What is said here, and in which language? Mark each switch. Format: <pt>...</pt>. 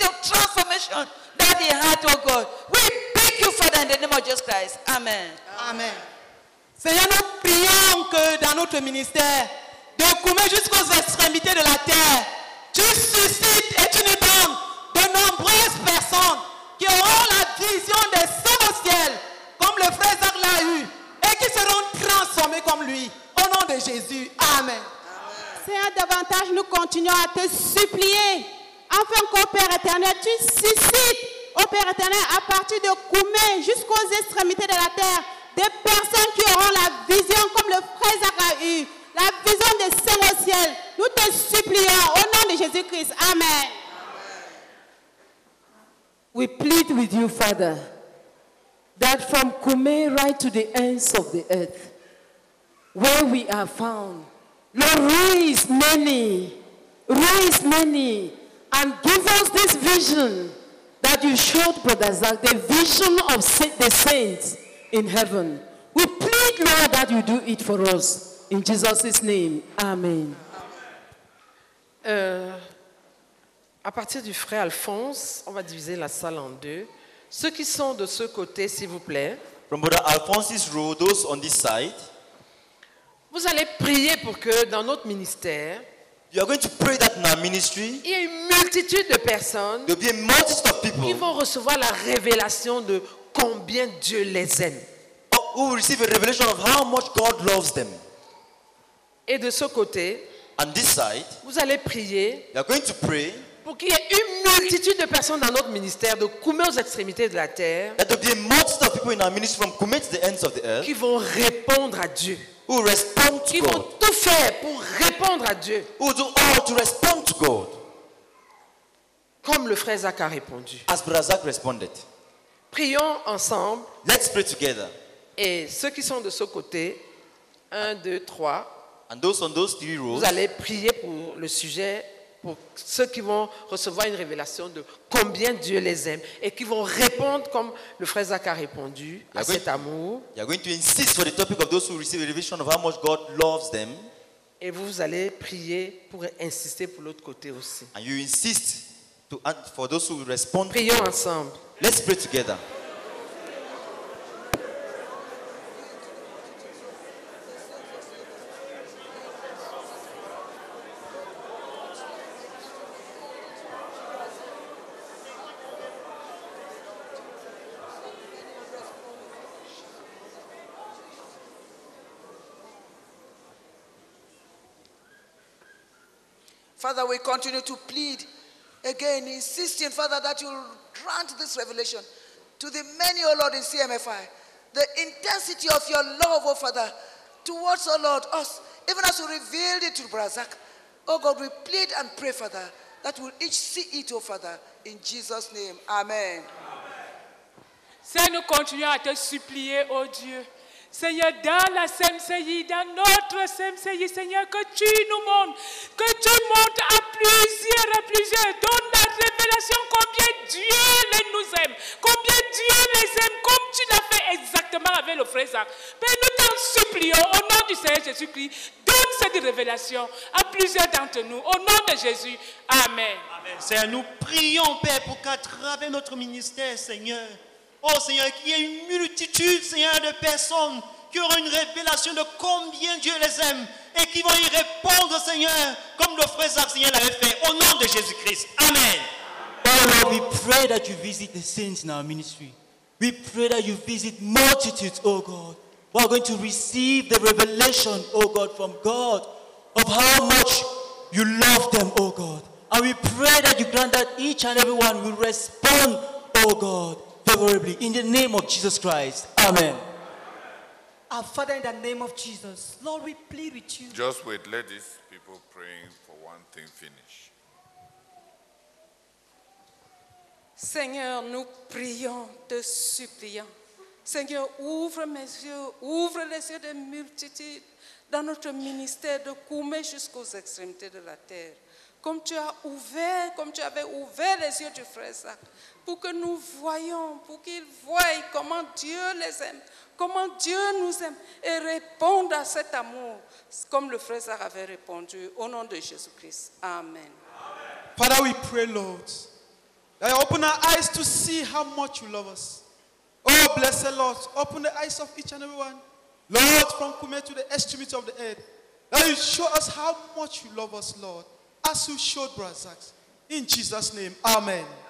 <en>That he had, oh God. We thank you, Father, in the name of Jesus Christ. Amen. Amen.</en> <fr>Seigneur, nous prions que dans notre ministère, de Koumé jusqu'aux extrémités de la terre, tu suscites et tu nous donnes de nombreuses personnes qui auront la vision des saints au ciel, comme le frère Zach l'a eu, et qui seront transformés comme lui. Au nom de Jésus. Amen. Amen. Seigneur, davantage, nous continuons à te supplier. Afin qu'au Père éternel, tu suscites, au Père éternel, à partir de Koumé jusqu'aux extrémités de la terre, des personnes qui auront la vision comme le frère Zach a eu, la vision des saints au ciel. Nous te supplions au nom de Jésus-Christ. Amen.</fr> <en>We plead with you, Father, that from Koumé right to the ends of the earth, where we are found, Lord, raise many, and give us this vision that you showed, Brother Zach, the vision of the saints in heaven. We plead, Lord, that you do it for us. In Jesus' name, amen.</en> <fr>À partir du frère Alphonse, on va diviser la salle en deux. Ceux qui sont de ce côté, s'il vous plaît.</fr> <en>From Brother Alphonse's row, those on this side.</en> <fr>Vous allez prier pour que dans notre ministère,</fr> <en>you are going to pray that in our ministry,</en> <fr>il y a une multitude de personnes,</fr> <en>there will be a multitude of people,</en> <fr>qui vont recevoir la révélation de combien Dieu les aime.</fr> <en>Or who will receive a revelation of how much God loves them.</en> <fr>Et de ce côté,</fr> <en>on this side,</en> <fr>vous allez prier,</fr> <en>you are going to pray,</en> <fr>pour qu'il y ait une multitude de personnes dans notre ministère, de Koumé aux extrémités de la terre,</fr> <en>that there will be a multitude of people in our ministry from Koumé to the ends of the earth,</en> <fr>qui vont répondre à Dieu.</fr> <en>Who respond to</en> <fr>qui</fr> <en>God.</en> <fr>Vont tout faire pour répondre à Dieu.</fr> <en>Who do all to respond to God.</en> <fr>Comme le frère Zach a répondu.</fr> <en>As Brother Zach responded.</en> <fr>Prions ensemble.</fr> <en>Let's pray together.</en> <fr>Et ceux qui sont de ce côté, 1, 2, 3.</fr> <en>And those on those three rows.</en> <fr>Vous allez prier pour le sujet, pour ceux qui vont recevoir une révélation de combien Dieu les aime et qui vont répondre comme le frère Zach a répondu à cet amour.</fr> <en>You are going to insist for the topic of those who receive a revelation of how much God loves them.</en> <fr>Et vous allez prier pour insister pour l'autre côté aussi.</fr> <en>And you insist to for those who respond.</en> <fr>Prions ensemble.</fr> <en>Let's pray together. Father, we continue to plead again, insisting, Father, that you grant this revelation to the many, O Lord, in CMFI. The intensity of your love, O Father, towards, O Lord, us, even as you revealed it to Brother Zach. O God, we plead and pray, Father, that we'll each see it, O Father, in Jesus' name. Amen.</en> <fr>Seigneur, nous continuons à te supplier, O Dieu. Seigneur, dans la CMCI, dans notre CMCI, Seigneur, que tu nous montres, que tu montres à plusieurs, donne la révélation combien Dieu nous aime, combien Dieu les aime, comme tu l'as fait exactement. le frère Zach. Père, nous t'en supplions, au nom du Seigneur Jésus-Christ, donne cette révélation à plusieurs d'entre nous, au nom de Jésus. Amen. Amen. Seigneur, nous prions, Père, pour qu'à travers notre ministère, Seigneur, oh Seigneur, qu'il y ait une multitude, Seigneur, de personnes qui auront une révélation de combien Dieu les aime et qui vont y répondre, Seigneur, comme le frère Zach, Seigneur, l'avait fait, au nom de Jésus-Christ. Amen.</fr> <en>Lord, we pray that you visit the saints in our ministry. We pray that you visit multitudes, oh God, who are going to receive the revelation, oh God, from God, of how much you love them, oh God. And we pray that you grant that each and everyone will respond, oh God, favorably, in the name of Jesus Christ. Amen. Our Father, in the name of Jesus, Lord, we plead with you. Just wait, let these people praying for one thing finish.</en> <fr>Seigneur, nous prions, te supplions. Seigneur, ouvre mes yeux, ouvre les yeux des multitudes dans notre ministère de Koumé jusqu'aux extrémités de la terre. Comme tu as ouvert, comme tu avais ouvert les yeux du frère Zach, pour que nous voyions, pour qu'ils voient comment Dieu les aime, comment Dieu nous aime et réponde à cet amour, comme le frère Zach avait répondu, au nom de Jésus-Christ. Amen.</fr> <en>Amen. Father, we pray, Lord. I open our eyes to see how much you love us. Oh, blessed Lord, open the eyes of each and everyone. Lord, from Kume to the extremity of the earth, that you show us how much you love us, Lord, as you showed Brother Zach. In Jesus' name, amen.</en>